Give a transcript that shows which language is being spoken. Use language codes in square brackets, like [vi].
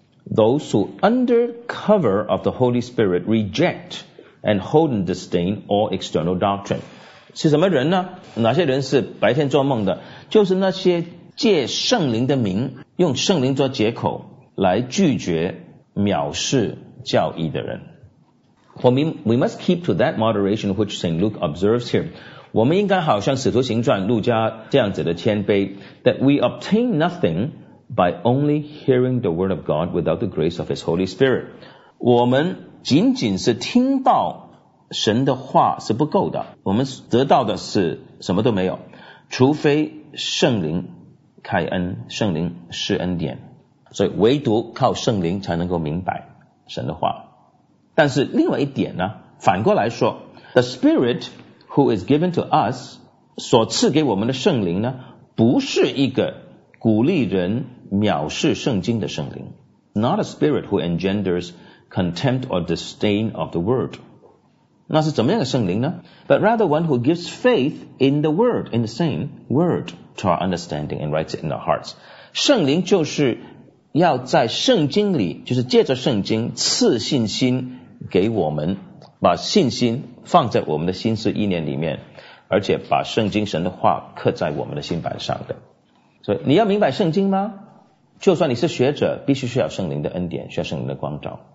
[en] Those who under cover of the Holy Spirit reject and hold in disdain all external doctrine， [zh] 是什么人呢？哪些人是白天做梦的？就是那些借圣灵的名，用圣灵做借口来拒绝藐视教义的人。 [en] We must keep to that moderation which St. Luke observes here， [zh] 我们应该好像使徒行传路加这样子的谦卑， [en] that we obtain nothing by only hearing the word of God without the grace of his Holy Spirit， [zh] 我们仅仅是听到神的话是不够的，我们得到的是什么都没有，除非圣灵开恩，圣灵施恩典，所以唯独靠圣灵才能够明白神的话。但是另外一点呢，反过来说， [en] The Spirit who is given to us， [zh] 所赐给我们的圣灵呢，不是一个鼓励人藐视圣经的圣灵。 [en] Not a spirit who engenders contempt or disdain of the word， [zh] 那是怎么样的圣灵呢？ [en] But rather one who gives faith in the word， in the same word to our understanding and writes it in our hearts。 [zh] 圣灵就是要在圣经里，就是借着圣经赐信心给我们，把信心放在我们的心思意念里面，而且把圣经神的话刻在我们的心板上的。所以你要明白圣经吗？就算你是学者，必须需要圣灵的恩典，需要圣灵的光照。